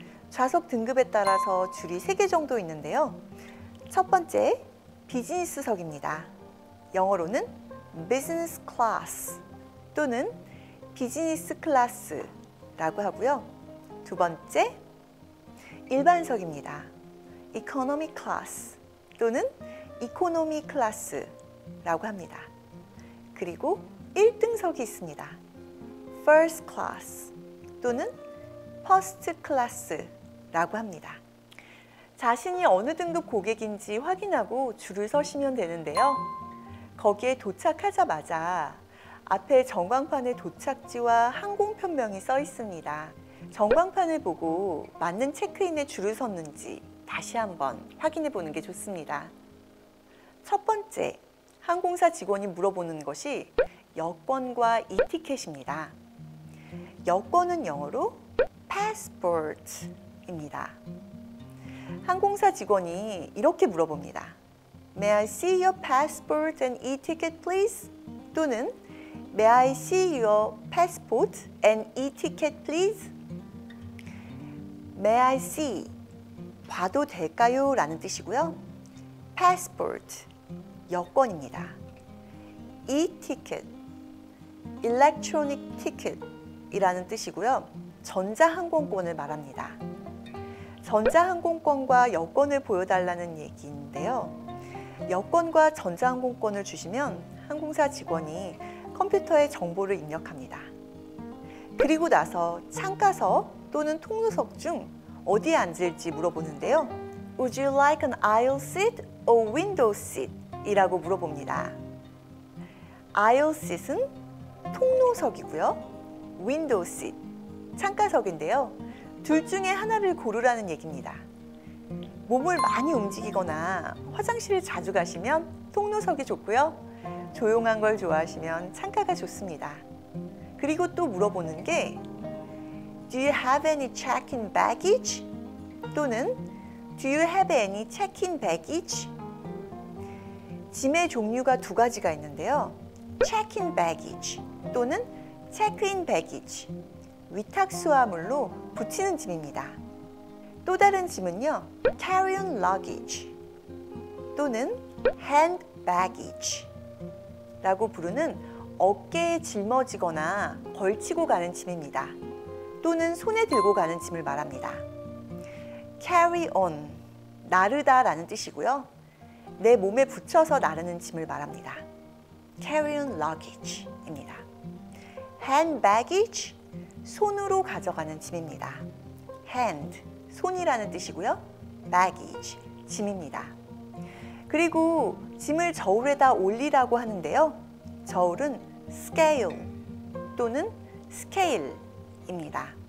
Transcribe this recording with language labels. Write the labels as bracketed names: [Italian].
[Korean] 좌석 등급에 따라서 줄이 3개 정도 있는데요. 첫 번째, 비즈니스석입니다. 영어로는 business class 또는 비즈니스 클래스라고 하고요. 두 번째, 일반석입니다. [English] economy class [Korean] 또는 [English] economy class라고 [Korean] 합니다. 그리고 1등석이 있습니다. [English] first class [Korean] 또는 [English] first class라고 [Korean] 합니다. 자신이 어느 등급 고객인지 확인하고 줄을 서시면 되는데요. 거기에 도착하자마자 앞에 전광판에 도착지와 항공편명이 써 있습니다. 전광판을 보고 맞는 체크인에 줄을 섰는지 다시 한번 확인해 보는 게 좋습니다. 첫 번째, 항공사 직원이 물어보는 것이 여권과 이티켓입니다. 여권은 영어로 passport입니다. 항공사 직원이 이렇게 물어봅니다. [English] May I see your passport and e-ticket, please? [Korean] 또는 [English] May I see your passport and e-ticket, please? May I see, [Korean] 봐도 될까요? 라는 뜻이고요. Passport, 여권입니다. [English] E-ticket, electronic ticket [Korean] 이라는 뜻이고요. 전자항공권을 말합니다. 전자항공권과 여권을 보여달라는 얘기인데요. 여권과 전자항공권을 주시면 항공사 직원이 컴퓨터에 정보를 입력합니다. 그리고 나서 창가석 또는 통로석 중 어디에 앉을지 물어보는데요. [English] Would you like an aisle seat or window seat? [Korean] 이라고 물어봅니다. Aisle seat은 통로석이고요. Window seat, 창가석인데요. 둘 중에 하나를 고르라는 얘기입니다. 몸을 많이 움직이거나 화장실을 자주 가시면 통로석이 좋고요. 조용한 걸 좋아하시면 창가가 좋습니다. 그리고 또 물어보는 게 [English] Do you have any check-in baggage? [Korean] 또는 [English] Do you have any check-in baggage? [Korean] 짐의 종류가 두 가지가 있는데요. check-in baggage 또는 check-in baggage 위탁수화물로 붙이는 짐입니다. 또 다른 짐은요. carry-on luggage 또는 hand baggage 라고 부르는 어깨에 짊어지거나 걸치고 가는 짐입니다. 또는 손에 들고 가는 짐을 말합니다. carry-on 나르다 라는 뜻이고요. 내 몸에 붙여서 나르는 짐을 말합니다. carry-on luggage 입니다. hand baggage 손으로 가져가는 짐입니다. hand 손이라는 뜻이고요. baggage 짐입니다. 그리고 짐을 저울에다 올리라고 하는데요. 저울은 scale 또는 scale 입니다.